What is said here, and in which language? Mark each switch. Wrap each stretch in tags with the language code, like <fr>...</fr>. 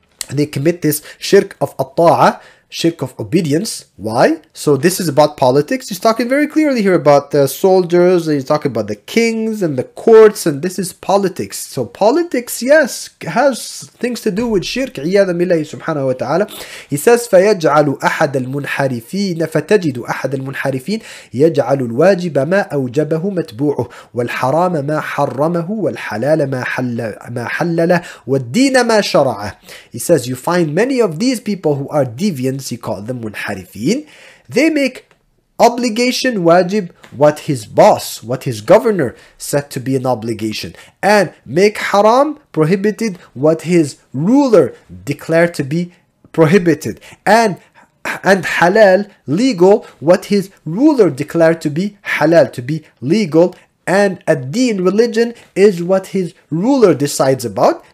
<en>They commit this shirk of الطاعة, shirk of obedience. Why? So this is about politics. He's talking very clearly here about the soldiers, and he's talking about the kings and the courts, and this is politics. So politics, yes, has things to do with shirk.</en> <ar>عياذا بالله سبحانه وتعالى.</ar> <en>He says</en> <ar>فيجعل أحد المنحرفين فتجد أحد المنحرفين يجعل الواجب ما أوجبه متبوعه والحرام ما حرمه والحلال ما حلله والدين ما شرعه.</ar> <en>He says you find many of these people who are deviants, he called them منحرف. They make obligation wajib what his boss, what his governor set to be an obligation, and make haram, prohibited, what his ruler declared to be prohibited, and halal, legal, what his ruler declared to be halal, to be legal, and ad-deen, religion, is what his ruler decides about.</en>